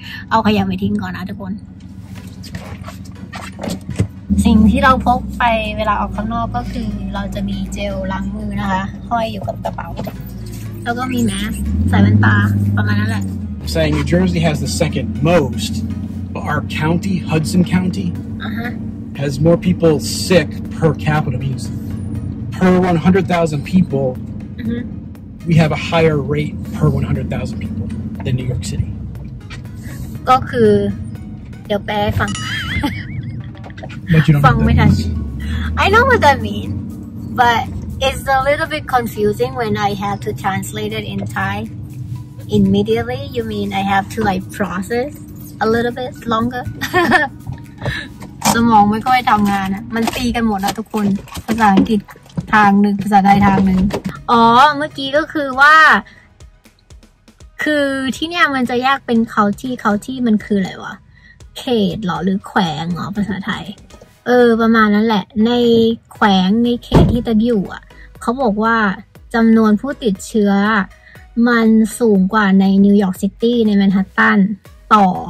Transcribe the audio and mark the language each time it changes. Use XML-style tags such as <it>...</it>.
<th>เอาขยะไปทิ้งก่อนนะทุกคนสิ่งที่เราพกไปเวลาออกข้างนอกก็คือเราจะมีเจลล้างมือนะคะห้อยอยู่กับกระเป๋าแล้วก็มีแมสใส่แว่นตาประมาณนั้นแหละ</th> <en>Saying New Jersey has the second most, but our county, Hudson County, has more people sick per capita means. Per 100,000 people, we have a higher rate per 100,000 people than New York City.</en> <th>ก็คือเดี๋ยวแปลฟัง</th> <en>But you don't know what that means. I know what that means, but it's a little bit confusing when I have to translate it in Thai. Immediately, you mean I have to like process a little bit longer?</en> <th>สมองไม่ค่อยทำงานอ่ะมันตีกันหมดอ่ะทุกคนภาษาอังกฤษทางหนึ่งภาษาไทยทางหนึ่งอ๋อเมื่อกี้ก็คือว่าคือที่เนี่ยมันจะแยกเป็นเขาที่เขาที่มันคืออะไรวะเขตหรอหรือแขวงหรอภาษาไทยเออประมาณนั้นแหละในแขวงในเขตที่ตะบิวอ่ะเขาบอกว่าจำนวนผู้ติดเชื้อมันสูงกว่าในนิวยอร์กซิตี้ในแมนฮัตตันต่อ</th>